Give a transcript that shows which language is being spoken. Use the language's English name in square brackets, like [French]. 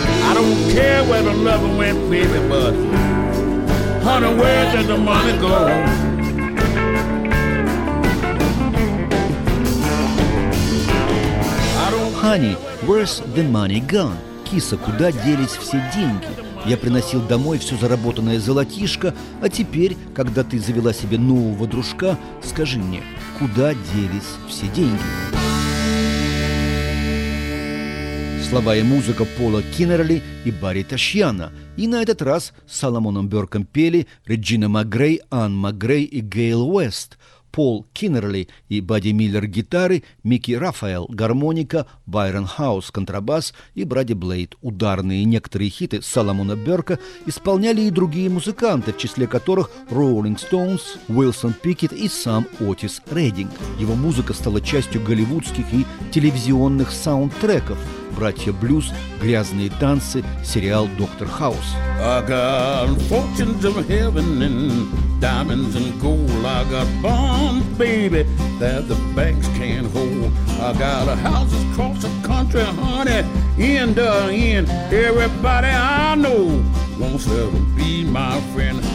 [English] I don't care where the loving went, baby, but honey, where did the money go? Honey, where's the money gone? [Russian] Киса, куда делись все деньги? Я приносил домой все заработанное золотишко, а теперь, когда ты завела себе нового дружка, скажи мне, куда делись все деньги? Слова и музыка Пола Киннерли и Барри Ташьяна. И на этот раз с Соломоном Бёрком пели Реджина Макгрей, Ан Макгрей и Гейл Уэст. Пол Киннерли и Бадди Миллер гитары, Микки Рафаэл гармоника, Байрон Хаус контрабас и Брадди Блейд ударные. Некоторые хиты Соломона Бёрка исполняли и другие музыканты, в числе которых Роллинг Стоунс, Уилсон Пикет и сам Отис Рединг. Его музыка стала частью голливудских и телевизионных саундтреков. «Братья Блюз», «Грязные танцы», сериал «Доктор Хаус». [English] I got fortunes of heaven and diamonds and gold. I got bonds, baby, that the banks can't hold. I got houses across the country, honey, end to end. Everybody I know wants to be my friend.